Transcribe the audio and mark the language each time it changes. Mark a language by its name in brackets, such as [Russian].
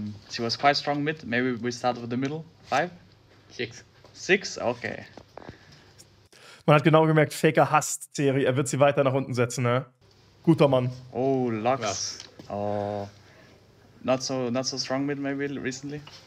[English] She was quite strong mid. Maybe we start with the middle. Five? Six. Six? Okay. [German] Man hat genau gemerkt, Faker hasst Sari. Er wird sie weiter nach unten setzen, ne? Guter Mann. [English] Oh, Lux. Yes. Oh. Not so strong mid maybe recently.